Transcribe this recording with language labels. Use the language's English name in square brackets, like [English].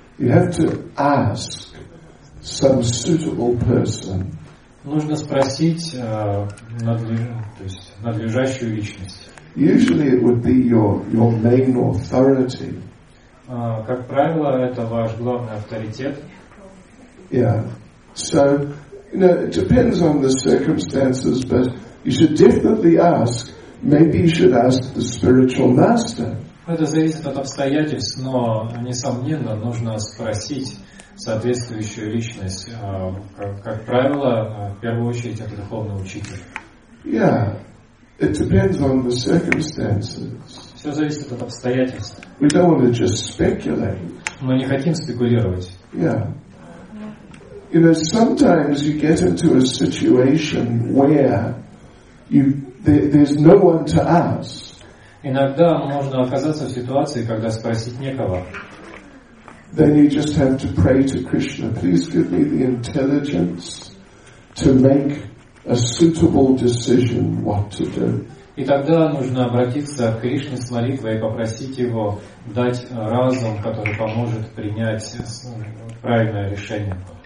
[English] You have to ask some suitable person. [Russian] Нужно спросить надлежащую личность. [English] Usually it would be your main authority. [Russian] Как правило, это ваш главный авторитет. [English] Yeah. So, you know, it depends on the circumstances, but you should definitely ask. Maybe you should ask the spiritual master. [Russian] Это зависит от обстоятельств, но несомненно нужно спросить соответствующую личность. Как правило, в первую очередь это духовный учитель. [English] Yeah. It depends on the circumstances. [Russian] Все зависит от обстоятельств. [English] We don't want to just speculate. [Russian] Мы не хотим спекулировать. [English] Yeah. You know, sometimes you get into a situation where there's no one to ask. [Russian] Иногда можно оказаться в ситуации, когда спросить некого. [English] Then you just have to pray to Krishna, please give me the intelligence to make a suitable decision what to do. [Russian] И тогда нужно обратиться к Кришне с молитвой и попросить его дать разум, который поможет принять правильное решение.